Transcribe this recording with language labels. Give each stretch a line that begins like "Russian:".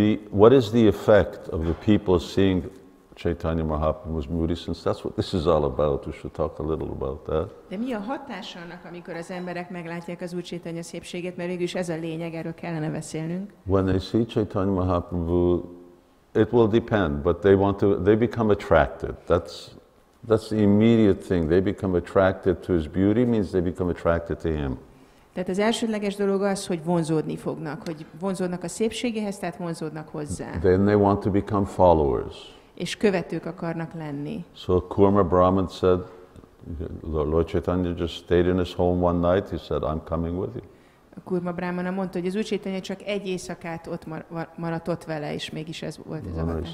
English: What is the effect of the people seeing Chaitanya Mahaprabhu's beauty? Since that's what this is all about, we should talk a little about that.
Hungarian: De mi a hatása annak, amikor az emberek meglátják az Úr Chaitanya szépségét, mert végülis ez a lényeg, erről kellene beszélnünk.
English: When they see Chaitanya Mahaprabhu, it will depend, but they become attracted. That's the immediate thing. They become attracted to his beauty, means they become attracted to him.
Hungarian: Tehát az elsődleges dolog az, hogy vonzódni fognak, hogy vonzódnak a szépségéhez, tehát vonzódnak hozzá.
English: Then they want to become followers.
Hungarian: És követők akarnak lenni.
English: So Kurma Brahman said, Lord Chaitanya just stayed in his home one night. He said, I'm coming with you.
Hungarian: Kurma Brahmana mondta, hogy az Úr Chaitanya csak egy éjszakát ott maradt ott vele, és mégis ez volt ez a hatás.